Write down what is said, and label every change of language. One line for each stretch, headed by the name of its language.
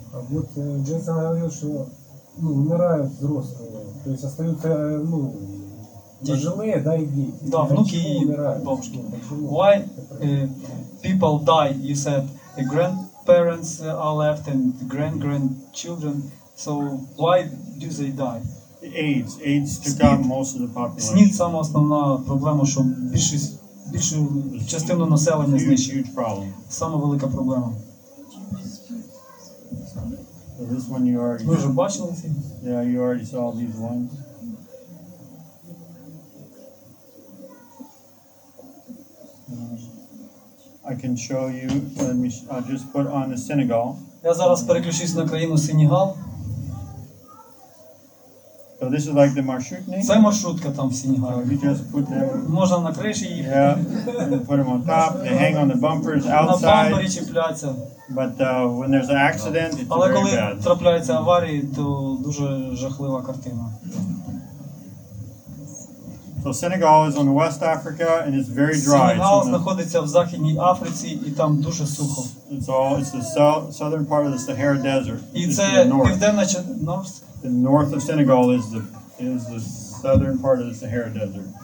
Russian: Вот Джейсон говорил, что ну, умирают взрослые, то есть остаются ну, пожилые, да, и дети. Да, внуки и умирают. Бабушки.
English: Why people die, you said, the grandparents are left and the grand-grandchildren, so why do they die? AIDS took out most of the population.
Russian: СНИД – сама основная проблема, что большую частину населения знищили.
English: Huge problem.
Russian: Самая великая проблема.
English: This one you already
Ukrainian: saw. Ви вже бачили ці?
English: Yeah, you already saw these ones. I can show you, let me, I'll just put on the Senegal.
Ukrainian: Я зараз переключусь на країну Сенегал.
English: So this is like the маршрутка?
Ukrainian: Це маршрутка там в Сенегалі.
English: You just put them...
Ukrainian: Можна на криші їх...
English: Yeah, and put them on top, they hang on the bumpers outside.
Ukrainian: На бампері чіпляться.
English: But when there's an accident, it's
Ukrainian: але
English: very
Ukrainian: коли
English: bad.
Ukrainian: Трапляється аварія, то дуже жахлива картина.
English: So Senegal is on West Africa and it's very dry.
Ukrainian: Сенегал знаходиться в Західній Африці і там дуже сухо.
English: It's the southern part of the Sahara Desert.
Ukrainian: І це південна частина.
English: The north of Senegal is the southern part of the Sahara Desert.